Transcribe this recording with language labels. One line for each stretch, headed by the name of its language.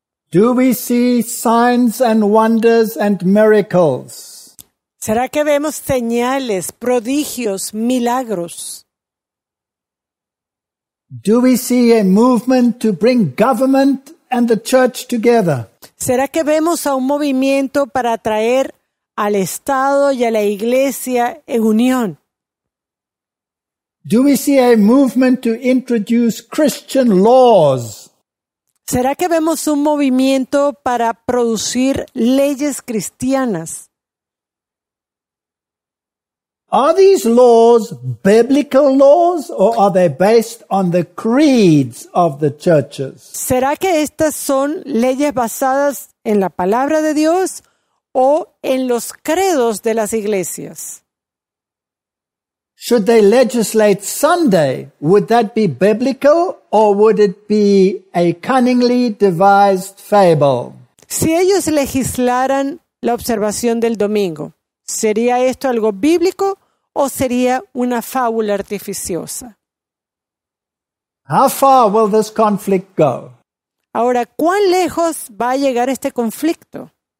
English: Do we see signs and wonders and miracles?
Spanish: ¿Será que vemos señales, prodigios, milagros?
English: Do we see a movement to bring government and the church together?
Spanish: ¿Será que vemos a un movimiento para traer al Estado y a la Iglesia en unión?
English: Do we see a movement to introduce Christian laws?
Spanish: ¿Será que vemos un movimiento para producir leyes cristianas?
English: Are these laws biblical laws, or are they based on the creeds of the churches?
Spanish: ¿Será que estas son leyes basadas en la palabra de Dios o en los credos de las iglesias?
English: Should they legislate Sunday? Would that be biblical, or would it be a cunningly devised fable?
Spanish: Si ellos legislaran la observación del domingo, ¿Sería esto algo bíblico o sería una fábula artificiosa?
English: How far will this conflict go?
Spanish: Ahora, ¿cuán lejos va a llegar este conflicto?